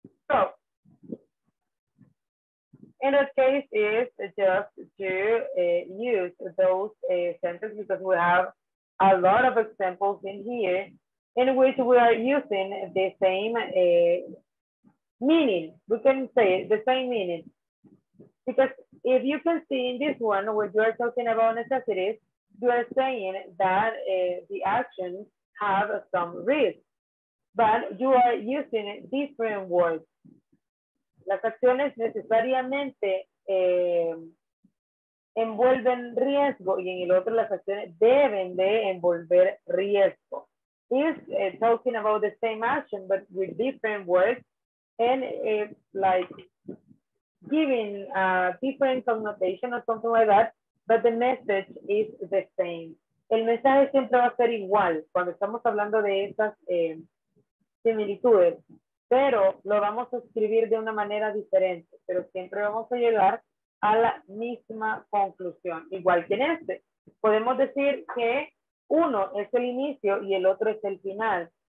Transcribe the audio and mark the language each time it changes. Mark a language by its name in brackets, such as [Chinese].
[English] So, in this case, it's just to use those sentences because we have a lot of examples in here in which we are using the same meaning. We can say it, the same meaning. Because if you can see in this one where you are talking about necessities, you are saying that the actions have some risk, but you are using different words. [Spanish] Las acciones necesariamente envuelven riesgo, y en el otro las acciones deben de envolver riesgo. [English] It's talking about the same action, but with different words, and like giving a different connotation or something like that, but the message is the same. [Spanish] El mensaje siempre va a ser igual cuando estamos hablando de esas similitudes, pero lo vamos a escribir de una manera diferente, pero siempre vamos a llegar a la misma conclusión, igual que en este. Podemos decir que uno es el inicio y el otro es el final.